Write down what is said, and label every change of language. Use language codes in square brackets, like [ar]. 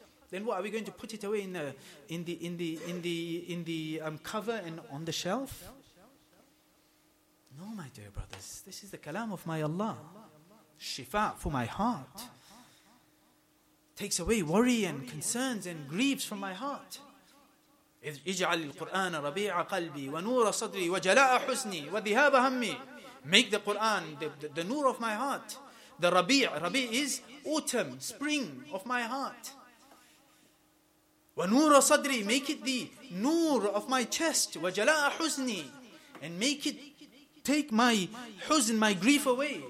[en] Then what, are we going to put it away in the cover and on the shelf? No, my dear brothers, this is the kalam of my Allah, shifa for my heart, takes away worry and concerns and griefs from my heart. [ar] إذ اجعل القرآن ربيع قلبي ونور صدري وجلاء حزني وذهاب همي. [en] Make the Quran the nur of my heart. The rabi is autumn, spring of my heart. [ar] ونور صدري, [en] make it the nur of my chest. [ar] وجلاء حزني, [en] and make it take my huzn, my grief away.